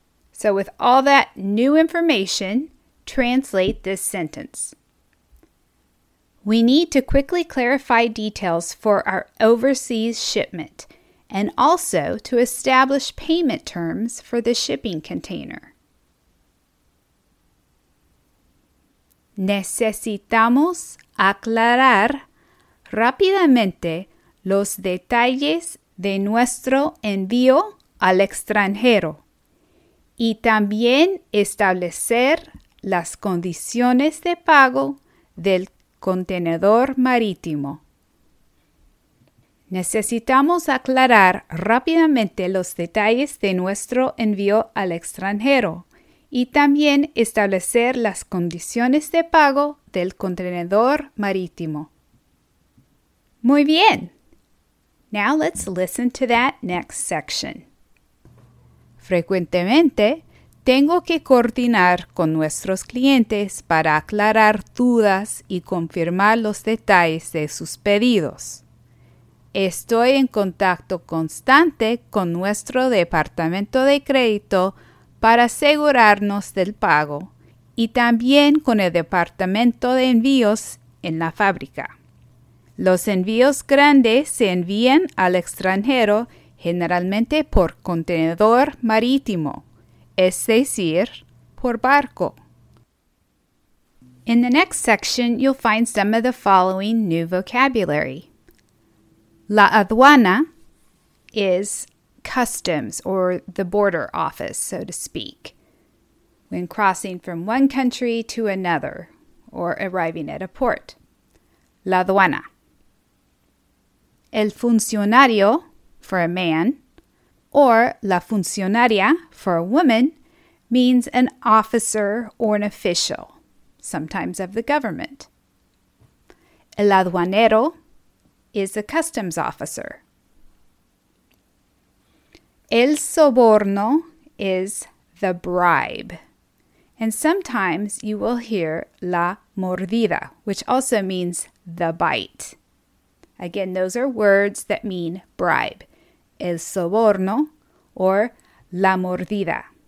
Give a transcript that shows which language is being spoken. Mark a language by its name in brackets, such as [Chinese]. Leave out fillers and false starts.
[English] So with all that new information, translate this sentence. We need to quickly clarify details for our overseas shipment and also to establish payment terms for the shipping container. [Spanish] Necesitamos aclarar rápidamente los detalles de nuestro envío al extranjero y también establecer las condiciones de pago del contenedor marítimo. Necesitamos aclarar rápidamente los detalles de nuestro envío al extranjero y también establecer las condiciones de pago del contenedor marítimo. Muy bien. [English] Now let's listen to that next section. [Spanish] Frecuentemente, tengo que coordinar con nuestros clientes para aclarar dudas y confirmar los detalles de sus pedidos. Estoy en contacto constante con nuestro departamento de crédito para asegurarnos del pago y también con el departamento de envíos en la fábrica. Los envíos grandes se envían al extranjero generalmente por contenedor marítimo, es decir, por barco. [English] In the next section, you'll find some of the following new vocabulary. La aduana is customs or the border office, so to speak, when crossing from one country to another or arriving at a port. La aduana. El funcionario for a man or la funcionaria for a woman means an officer or an official, sometimes of the government. El aduanero is the customs officer. El soborno is the bribe. And sometimes you will hear la mordida, which also means the bite. Again, those are words that mean bribe. [Spanish] El soborno or la mordida.